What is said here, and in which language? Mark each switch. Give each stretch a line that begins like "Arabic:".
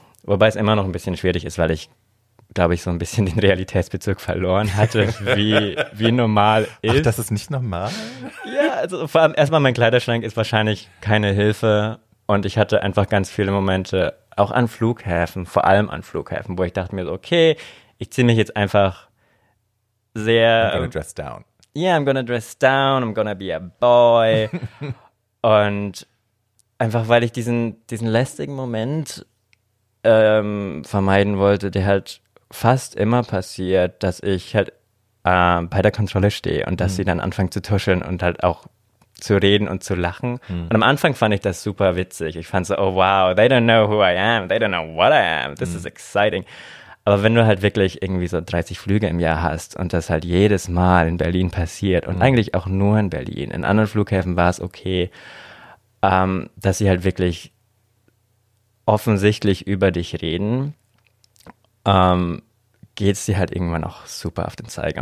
German: Wobei es immer noch ein bisschen schwierig ist, weil ich, glaube ich, so ein bisschen den Realitätsbezug verloren hatte, wie normal ist. Ach, das ist nicht normal? Ja, also vor allem erstmal mein Kleiderschrank ist wahrscheinlich keine Hilfe und ich hatte einfach ganz viele Momente, auch an Flughäfen, vor allem an Flughäfen, wo ich dachte mir so, okay, ich ziehe mich jetzt einfach sehr...
English: I'm gonna dress down. Yeah, I'm gonna dress down, I'm gonna be a boy.
German: Und einfach, weil ich diesen lästigen Moment vermeiden wollte, der halt fast immer passiert, dass ich halt bei der Kontrolle stehe und dass sie dann anfangen zu tuscheln und halt auch zu reden und zu lachen. Mhm. Und am Anfang fand ich das super witzig. Ich fand so,
English: oh wow, they don't know who I am, they don't know what I am, this is exciting.
German: Aber wenn du halt wirklich irgendwie so 30 Flüge im Jahr hast und das halt jedes Mal in Berlin passiert und eigentlich auch nur in Berlin, in anderen Flughäfen war es okay, dass sie halt wirklich offensichtlich über dich reden, geht es dir halt irgendwann auch super auf den Zeiger.